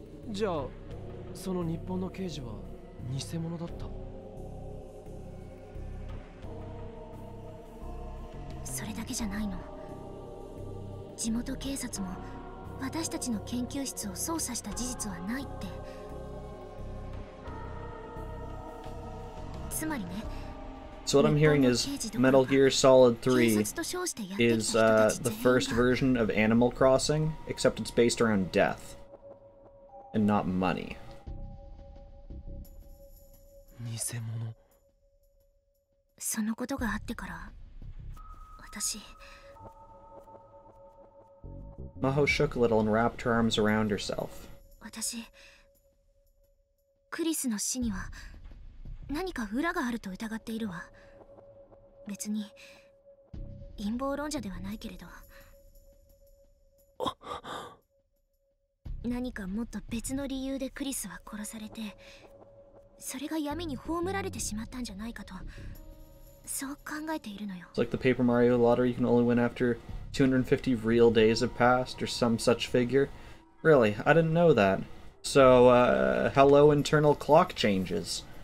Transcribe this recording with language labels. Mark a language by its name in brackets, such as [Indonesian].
[Japanese] じゃあその日本の刑事は偽物だった。それだけじゃないの。地元警察も私たちの研究室を捜査した事実はないって。つまりね、 [English] So what I'm hearing is Metal Gear Solid 3 is the first version of Animal Crossing, except it's based around death and not money. [Japanese] 偽物。そのことがあってから私。 [English] Maho shook a little and wrapped her arms around herself. [Japanese] 私、クリスの死には何か裏があると疑っているわ。別に陰謀論者ではないけれど。何かもっと別の理由でクリスは殺されて、それが闇に葬られてしまったんじゃないかと。そう考えているのよ。 [English] It's like the Paper Mario lottery, you can only win after 250 real days have passed, or some such figure. Really, I didn't know that. So, hello internal clock changes.